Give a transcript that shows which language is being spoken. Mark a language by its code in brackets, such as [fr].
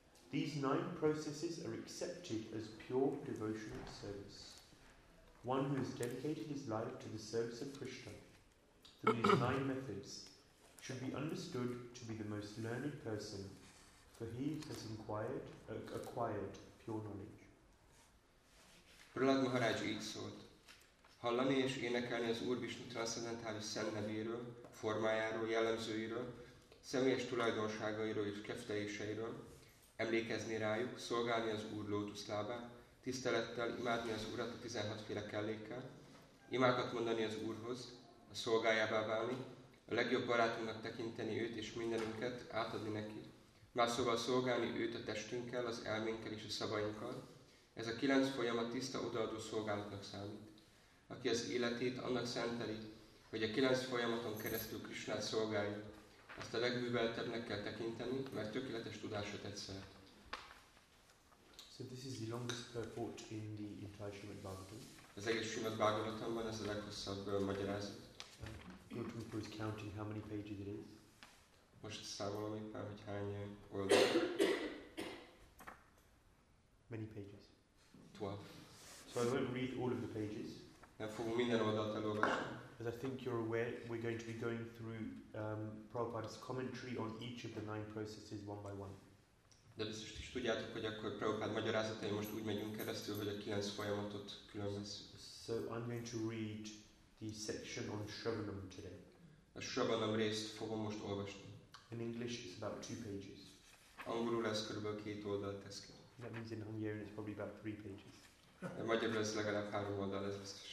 [en] These nine processes are accepted as pure devotional service. One who has dedicated his life to the service of Krishna through these nine methods should be understood to be the most learned person, for he has acquired pure knowledge. [hu] Prahlad Maharaj így szólt. Hallani és énekelni az Úr Vishnu transzendentális szent nevéről, formájáról, jellemzőiről, személyes tulajdonságairól és kefteléseiről, emlékezni rájuk, szolgálni az Úr lótuszlábán, tisztelettel imádni az Urat a 16 féle kellékkel, imákat mondani az Úrhoz, a szolgájává válni, a legjobb barátunknak tekinteni őt és mindenünket, átadni neki, más szóval szolgálni őt a testünkkel, az elménkkel és a szavainkkal, ez a 9 folyamat tiszta odaadó szolgálatnak számít. Aki az életét annak szenteli, hogy a 9 folyamaton keresztül Krisnát szolgálja, azt a legműveltebbnek kell tekinteni, mert tökéletes tudása tetszel. [en] So this is the longest purport in the entire Srimad Bhagavatam. [hu] Az egész Srimad Bhagavatamban ez a leghosszabb magyarázat. [en] Guru is counting how many pages it is. [hu] Most számolom éppen, hogy hány oldal. [en] Many pages. 12. So I won't read all of the pages. [hu] Nem fogunk minden oldalt elolvasni. [en] As I think you're aware, we're going to be going through Prabhupada's commentary on each of the nine processes one by one. [hu] De biztos is tudjátok, hogy akkor Prabhupada magyarázatai most úgy megyünk keresztül, hogy a 9 folyamatot különbözzük. [en] So I'm going to read the section on Shravanam today. [hu] A Shravanam részt fogom most olvasni. [en] In English it's about 2 pages. [hu] Angolul lesz körülbelül 2 oldalt teszkel. [en] That means in Hungarian it's probably about 3 pages. [hu] De magyarul lesz legalább 3 oldal, ez biztos.